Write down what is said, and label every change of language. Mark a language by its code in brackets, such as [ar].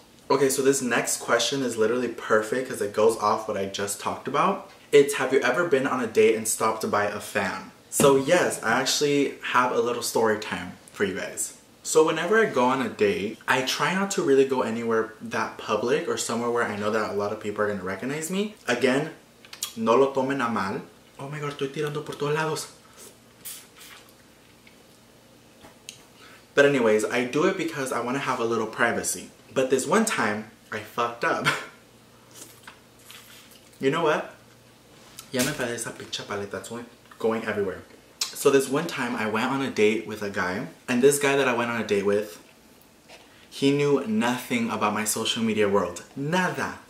[en] Okay, so this next question is literally perfect because it goes off what I just talked about. It's, have you ever been on a date and stopped by a fan? So yes, I actually have a little story time for you guys. So whenever I go on a date, I try not to really go anywhere that public or somewhere where I know that a lot of people are going to recognize me. [es] Again, no lo tomen a mal. Oh my god, estoy tirando por todos lados. [en] But anyways, I do it because I want to have a little privacy. But this one time, I fucked up. You know what? [es] Ya me enfadé esa pinche paleta. [en] That's going everywhere. So this one time, I went on a date with a guy. And this guy that I went on a date with, he knew nothing about my social media world. Nada.